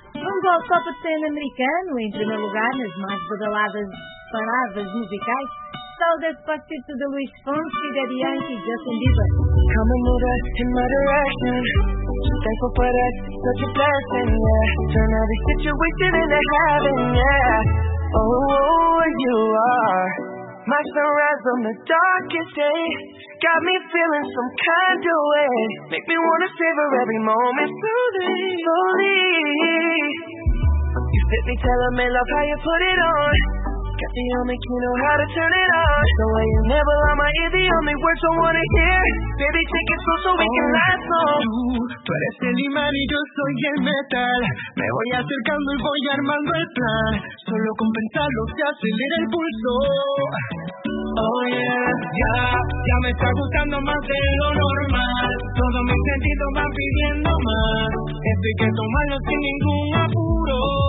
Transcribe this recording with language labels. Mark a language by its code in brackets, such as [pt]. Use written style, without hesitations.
[pt] Vamos ao Top 10 americano, em primeiro lugar, nas mais badaladas paradas musicais. Salve a partir de Luis Fonsi, Daddy Yankee e Justin Bieber. [en] Come and move us in my direction. Thankful for us, such a blessing, yeah. Turn every situation into heaven, yeah. Oh, you are my sunrise on the darkest day. Got me feeling some kind of way. Make me wanna savor every moment slowly, slowly. You fit me, telling me love how you put it on. Got the only key, know how to turn it on. The way you never lie my ear, the only words I wanna hear. Baby, take it slow so we can last long. [es] Tú eres el imán y yo soy el metal. Me voy acercando y voy armando el plan. Solo con pensarlo se acelera el pulso. [en] Oh yeah, [es] ya, ya me está gustando más de lo normal. Todo mi sentido va pidiendo más. Esto hay que tomarlo sin ningún apuro.